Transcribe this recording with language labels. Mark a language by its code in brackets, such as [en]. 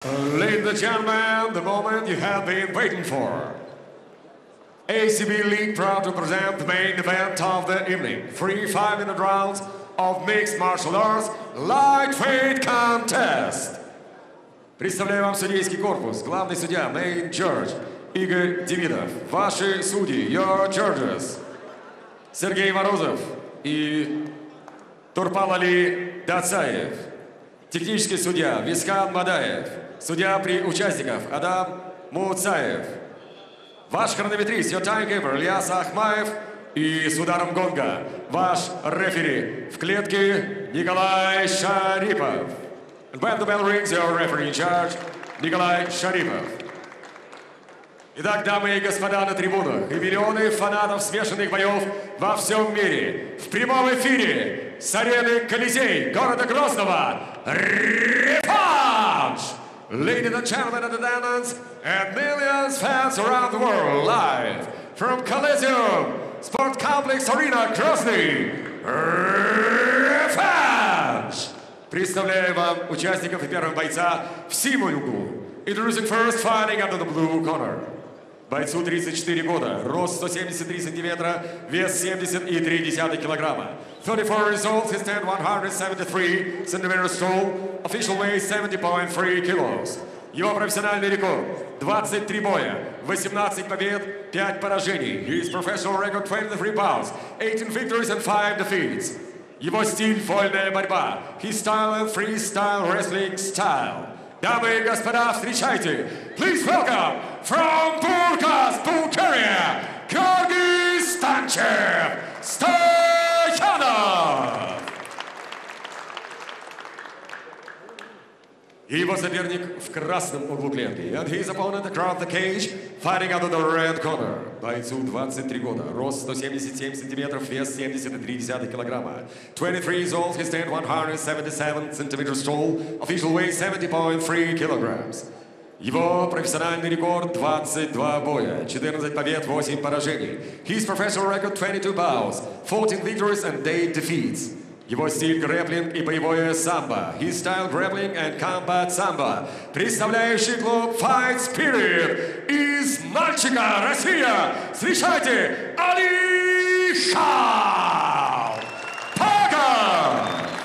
[en] Ladies and gentlemen, the moment you have been waiting for. ACB League proud to present the main event of the evening. 3 5-minute rounds of Mixed Martial Arts Lightweight Contest. [ru] Представляю вам судейский корпус. Главный судья, [en] main judge, [ru] Игорь Демидов. Ваши судьи, [en] your judges. [ru] Сергей Морозов и Турпалали Дацаев. Технический судья, Вискан Мадаев. Судья при участников Адам Муцаев. Ваш хронометрист, [en] your timekeeper, [ru] Ильяс Ахмаев. И с ударом гонга ваш рефери в клетке Николай Шарипов. [en] When the bell rings, your referee in charge, Николай Шарипов. [ru] Итак, дамы и господа на трибунах и миллионы фанатов смешанных боев во всем мире. В прямом эфире с арены Колизей города Грозного. Реванш! [en] Ladies and gentlemen of the Danons and millions of fans around the world, live from Coliseum Sport Complex Arena, Grozny, Revenge! [ru] Представляю вам участников и первого бойца в Симонюгу. [en] Introducing first, fighting out of the blue corner. [ru] Бойцу 34 года, рост 173 сантиметра, вес 70,3 килограмма. [en] 34 years old, he stands 173 centimeters tall, official weight 70.3 kilos. [ru] Его профессиональный рекорд 23 боя, 18 побед, 5 поражений. [en] His professional record 23 bouts, 18 victories and 5 defeats. [ru] Его стиль – вольная борьба. [en] His style – freestyle wrestling style. [ru] Дамы и господа, встречайте! [en] Please welcome from Burgas, Bulgaria, Георгий Станчев Стоянов! [ru] Его соперник в красном углу клетки. [en] And his opponent across the cage, fighting out of the red corner. [ru] Бойцу 23 года, рост 177 сантиметров, вес 73 килограмма. [en] 23 years old, he stands 177 centimeters tall, official weight 70.3 kilograms. [ru] Его профессиональный рекорд 22 боя, 14 побед, 8 поражений. [en] His professional record 22 bouts, 14 victories and 8 defeats. [ru] Его стиль грэплинг и боевое самбо. [en] His style grappling and combat samba. [ru] Представляющий клуб Fight Spirit из Нальчика, Россия. Встречайте, Алиша Пага!